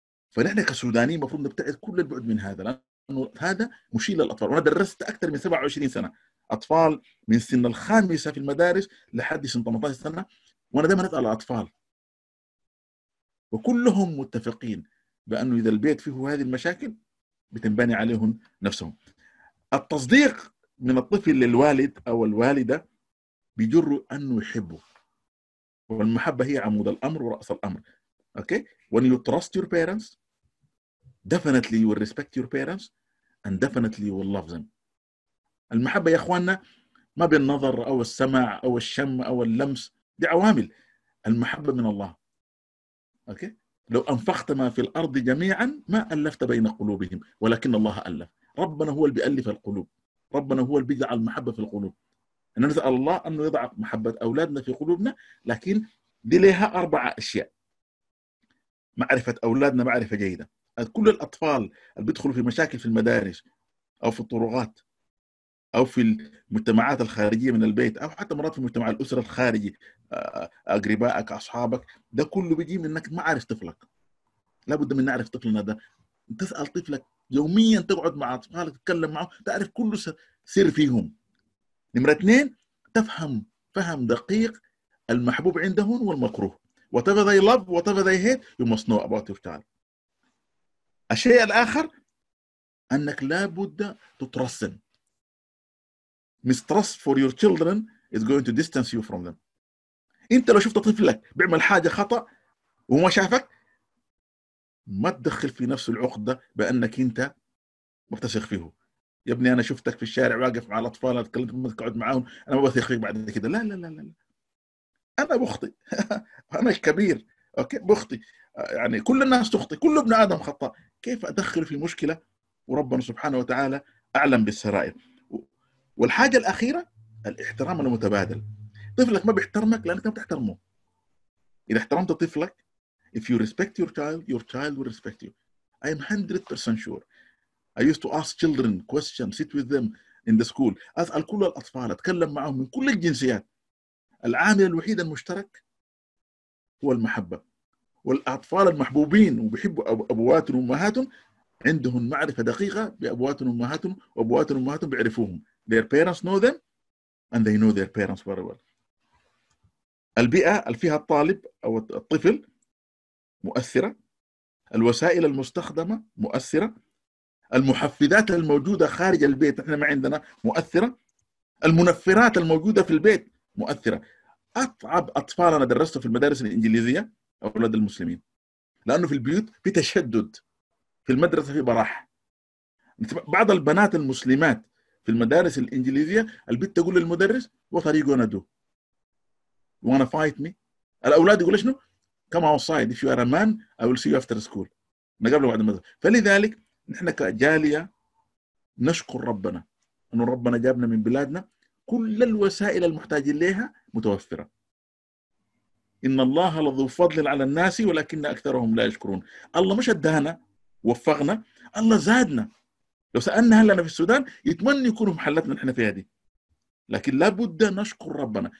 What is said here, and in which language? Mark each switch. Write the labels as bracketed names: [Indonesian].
[Arabic] فنحن كسودانيين مفروض نبتعد كل البعد من هذا، لأنه هذا مشيل للأطفال. وأنا درست أكثر من 27 سنة أطفال من سن الخامسة في المدارس لحد سن 18 سنة، وأنا دائما أسأل الأطفال وكلهم متفقين بأنه إذا البيت فيه هذه المشاكل بتنبني عليهم نفسهم. التصديق من الطفل للوالد أو الوالدة بيجر أنه يحبه، والمحبة هي عمود الأمر ورأس الأمر. [English] Okay, when you trust your parents, definitely you will respect your parents, and definitely you will love them. [Arabic] المحبة يا إخواننا ما بالنظر أو السمع أو الشم أو اللمس، دي عوامل. المحبة من الله. Okay. لو أنفخت ما في الأرض جميعا ما ألفت بين قلوبهم ولكن الله ألف. ربنا هو اللي بيألف القلوب، ربنا هو اللي بيجعل المحبة في القلوب. أن نسأل الله أن يضع محبة أولادنا في قلوبنا، لكن دي لها أربع أشياء. معرفة أولادنا معرفة جيدة. كل الأطفال اللي بيدخلوا في مشاكل في المدارس أو في الطرقات أو في المجتمعات الخارجية من البيت أو حتى مرات في مجتمع الأسرة الخارجي، أقربائك أصحابك، ده كله بيجي منك ما عارف طفلك. لابد من نعرف طفلنا ده. تسأل طفلك يوميا، تقعد مع أطفالك تتكلم معه، تعرف كل سر فيهم. نمرة اثنين، تفهم فهم دقيق المحبوب عندهم والمكروه. [English] Whatever they love, whatever they hate, you must know about your child. [Arabic] الشيء الآخر أنك لابد تترسم. [English] Mistrust for your children is going to distance you from them. [Arabic] أنت لو شفت طفلك بيعمل حاجة خطأ وما شافك، ما تدخل في نفس العقدة بأنك أنت مبتسخ فيه. يا ابني أنا شفتك في الشارع واقف مع الأطفال أتكلمت ما تقعد معهم، أنا ما بثق فيك بعد كده. لا لا لا لا، أنا بخطئ. أنا كبير، أوكي، بخطئ. يعني كل الناس تخطئ، كل ابن آدم خطأ، كيف أدخل في مشكلة وربنا سبحانه وتعالى أعلم بالسرائر؟ والحاجة الأخيرة الاحترام المتبادل. طفلك ما بيحترمك لأنك ما بتحترمه. إذا احترمت طفلك، [English] if you respect your child will respect you. I am 100% sure. I used to ask children questions, sit with them in the school. [Arabic] أسأل كل الأطفال، أتكلم معهم من كل الجنسيات. العامل الوحيد المشترك هو المحبة. والأطفال المحبوبين وبيحبوا أبواتهم وأمهاتهم عندهم معرفة دقيقة بأبواتهم وأمهاتهم، وأبواتهم وأمهاتهم بيعرفوهم. [English] Their parents know them and they know their parents very well. [Arabic] البيئة اللي فيها الطالب أو الطفل مؤثرة، الوسائل المستخدمة مؤثرة، المحفزات الموجودة خارج البيت احنا ما عندنا مؤثرة، المنفرات الموجودة في البيت مؤثرة. أتعب أطفال أنا درسته في المدارس الإنجليزية أولاد المسلمين، لأنه في البيوت في تشدد، في المدرسة في براح. بعض البنات المسلمات في المدارس الإنجليزية البيت تقول للمدرس [English] what are you gonna do, you wanna fight me. [Arabic] الأولاد يقول شنو، [English] come outside if you are a man I will see you after school. [Arabic] ما قبل بعد المدرسة. فلذلك نحن كجالية نشكر ربنا أنه ربنا جابنا من بلادنا كل الوسائل المحتاج إليها متوفرة. إن الله لذو فضل على الناس ولكن أكثرهم لا يشكرون. الله مش أدهنا وفقنا، الله زادنا. لو سألنا هل أنا في السودان يتمنى يكون محلتنا نحن في هذه، لكن لابد نشكر ربنا.